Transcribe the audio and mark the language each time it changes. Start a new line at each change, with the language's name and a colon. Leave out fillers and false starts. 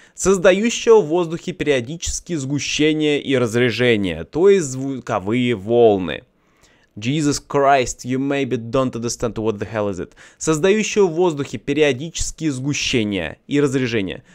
Russian: Создающего в воздухе периодически сгущение и разрежение, то есть звуковые волны.
English: Jesus Christ, you maybe don't understand what the hell is it.
Russian: Создающего в воздухе периодические сгущения и разрежения.